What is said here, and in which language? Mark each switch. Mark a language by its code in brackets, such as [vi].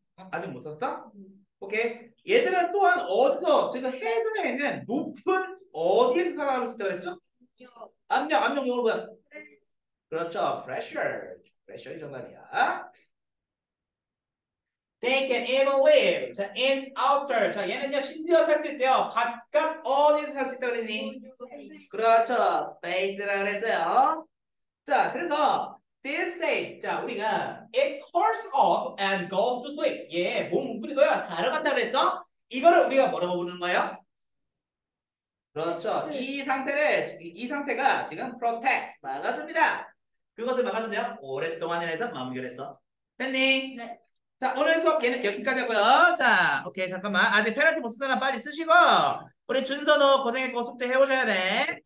[ko] 아직 못 썼어? 오케이. 얘들은 또한 어디서 지금 해저에는 높은 어디에서 살아남을 수 있다고 했죠? 압력 영어로 뭐야? 그렇죠. Pressure이 정답이야. [en] They can even live 자, in outer. [ko] 자, 얘는 심지어 살 수 있대요. 바깥 어디서 살 수 있다고 했니? 그렇죠. Space라고 했어요. 자, 그래서 [en] this state, [ko] 자, 우리가 [en] it curls up and goes to sleep. [ko] 예, 몸 웅크리고요. 자러 간다고 했어? 이거를 우리가 뭐라고 부르는 거예요? 그렇죠. 네. 이 상태가 지금 protects, 막아줍니다. 그것을 막아준대요. 오랫동안 해서 마무리했어. 팬님. 네. 자, 오늘 수업 걔는 여기까지 하고요. 자, 오케이. 잠깐만. 아직 페널티 못 쓰잖아. 빨리 쓰시고. 우리 준선호 고생했고 숙제 해오셔야 돼.